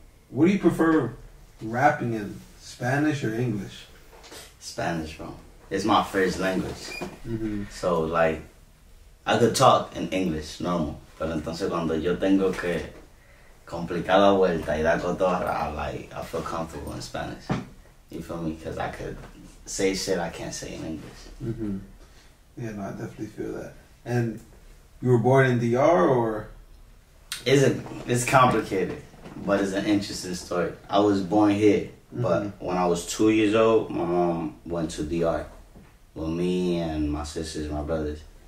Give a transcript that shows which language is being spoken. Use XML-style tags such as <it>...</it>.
<en>What do you prefer rapping in, Spanish or English? Spanish, bro. It's my first language. Mm-hmm. So, like, I could talk in English, normal.</en> <es>Pero entonces cuando yo tengo que complicar la vuelta y dar cotorra,</es> <en>I feel comfortable in Spanish. You feel me? Because I could say shit I can't say in English. Mm-hmm. Yeah, no, I definitely feel that. And you were born in DR or? It's complicated, but it's an interesting story. I was born here, mm-hmm. but when I was 2 years old, my mom went to DR with me and my sisters, my brothers.</en>